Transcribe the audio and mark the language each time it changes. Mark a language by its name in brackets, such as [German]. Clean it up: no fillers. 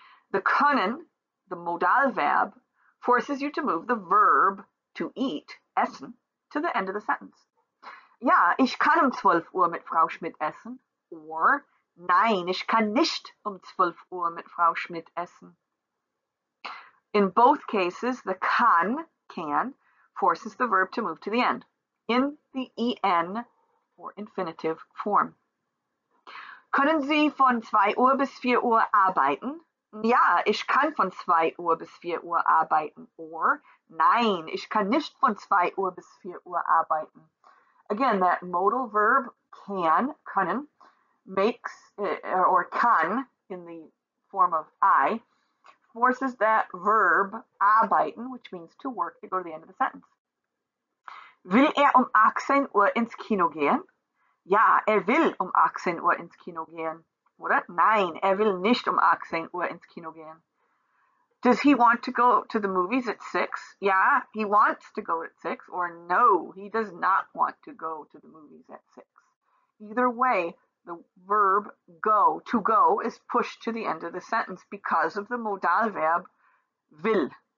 [English] The können, the modal verb, forces you to move the verb to eat, essen, to the end of the sentence. [German] Ja, ich kann um 12 Uhr mit Frau Schmidt essen. Or, nein, ich kann nicht um 12 Uhr mit Frau Schmidt essen. [English] In both cases, the can forces the verb to move to the end in the en or infinitive form. [German] Können Sie von 2 Uhr bis 4 Uhr arbeiten? Ja, ich kann von 2 Uhr bis 4 Uhr arbeiten. Or, nein, ich kann nicht von 2 Uhr bis 4 Uhr arbeiten. [English] Again, that modal verb can, können, makes, or kann, in the form of I, forces that verb arbeiten, which means to work, to go to the end of the sentence. [German] Will um 18 Uhr ins Kino gehen? Ja, will um 18 Uhr ins Kino gehen. Oder? Nein, will nicht um 18 Uhr ins Kino gehen. [English] Does he want to go to the movies at 6? Yeah, he wants to go at 6. Or no, he does not want to go to the movies at 6. Either way, the verb go, to go, is pushed to the end of the sentence because of the modal verb will.